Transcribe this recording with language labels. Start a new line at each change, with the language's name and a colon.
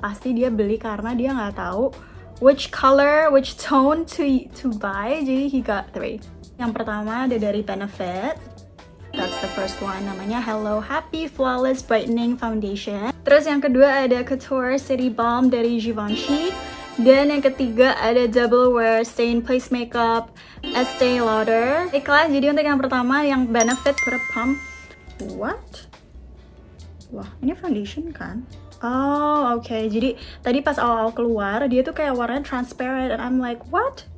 Indonesian: Pasti dia beli karena dia nggak tahu
English: which color, which tone to buy. Jadi he got 3.
Indonesian: Yang pertama ada dari Benefit.
English: That's the first one, namanya Hello Happy Flawless Brightening Foundation.
Indonesian: Terus yang kedua ada Couture City Balm dari Givenchy. Dan yang ketiga ada Double Wear Stain Place Makeup Estee Lauder. Baiklah, jadi untuk yang pertama yang Benefit Put a Pump. What? Wah, ini foundation kan? Oh, okay. Jadi tadi pas awal-awal keluar, dia tuh kayak warnanya transparent.
English: And I'm like, what?